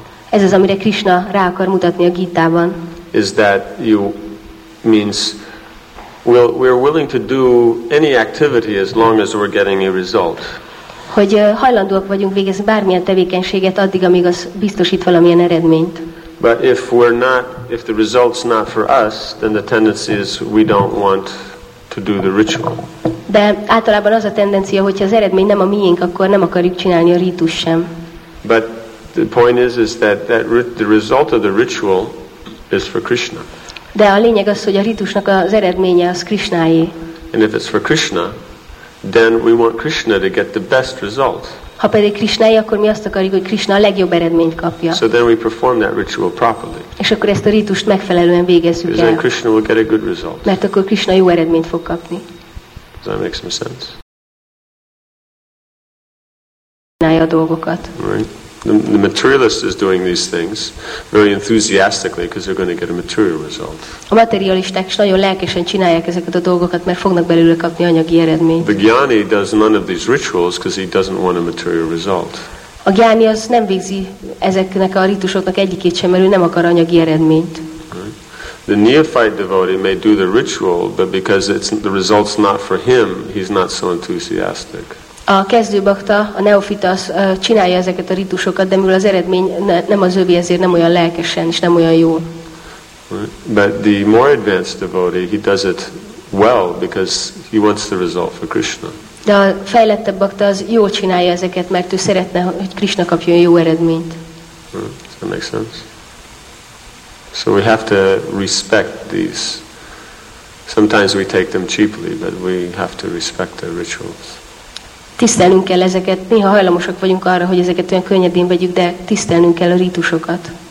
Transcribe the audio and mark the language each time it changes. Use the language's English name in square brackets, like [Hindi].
[Hungarian] Ez az, amire Krishna rá akar mutatni a Gitában. [English] Is that you means we're willing to do any activity as long as we're getting a result. [Hungarian] Hogy hajlandóak vagyunk végezni bármilyen tevékenységet addig, amíg az biztosít valamilyen eredményt. [English] But if the result's not for us, then the tendency is we don't want to do the ritual. [Hungarian] De általában az a tendencia, hogyha az eredmény nem a miénk, akkor nem akarjuk csinálni a rítus sem. [English] But the point is that the result of the ritual is for Krishna. [Hungarian] De a lényeg az, hogy a rítusnak az eredménye az Krishnáé. [English] And if it's for Krishna, then we want Krishna to get the best result. [Hungarian] Ha pedig Krishnáé, akkor mi azt akarjuk, hogy Krishna a legjobb eredményt kapja. [English] So then we perform that ritual properly. [Hungarian] És akkor ezt a rítust megfelelően végezzük el. [English] Because then Krishna will get a good result. [Hungarian] Mert akkor Krishna jó eredményt fog kapni. [English] Does that make some sense? [Hungarian] Krishnáé a dolgokat. [English] The materialist is doing these things very enthusiastically because they're going to get a material result. [Hungarian] A materialisták is nagyon lelkesen csinálják ezeket a dolgokat, mert fognak belőle kapni anyagi eredményt. [English] The gyani does none of these rituals because he doesn't want a material result. [Hungarian] A gyani az nem végzi ezeknek a ritusoknak egyikét sem, mert ő nem akar anyagi eredményt. [English] The neophyte devotee may do the ritual, but because it's the result's not for him, he's not so enthusiastic. [Hungarian] A kezdő bakta, a neofita csinálja ezeket a ritusokat, de mivel az eredmény nem az övé, ezért nem olyan lelkesen és nem olyan jó. [English] But the more advanced devotee, he does it well because he wants the result for Krishna. [Hungarian] De a fejlettebb bakta az jól csinálja ezeket, mert ő szeretne, hogy Krishna kapjon jó eredményt. [English] Does that make sense? So we have to respect these. Sometimes we take them cheaply, but we have to respect the rituals. [Hungarian] Tisztelnünk kell ezeket. Néha hajlamosak vagyunk arra, hogy ezeket olyan könnyedén vegyük, de tisztelnünk kell a rítusokat.